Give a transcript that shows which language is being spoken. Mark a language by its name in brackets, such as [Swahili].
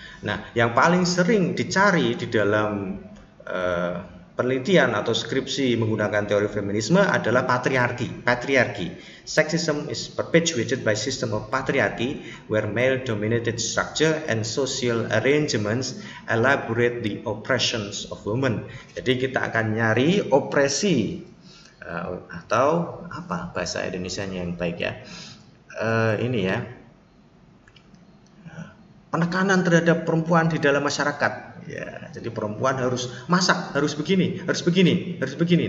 [Indonesian] Nah, yang paling sering dicari di dalam penelitian atau skripsi menggunakan teori feminisme adalah patriarki. Patriarki. [English] Sexism is perpetuated by system of patriarchy where male dominated structure and social arrangements elaborate the oppressions of women. [Indonesian] Jadi kita akan nyari opresi atau apa bahasa Indonesianya yang baik ya. Ini ya. Penekanan terhadap perempuan di dalam masyarakat. Ya, jadi perempuan harus masak, harus begini, harus begini, harus begini.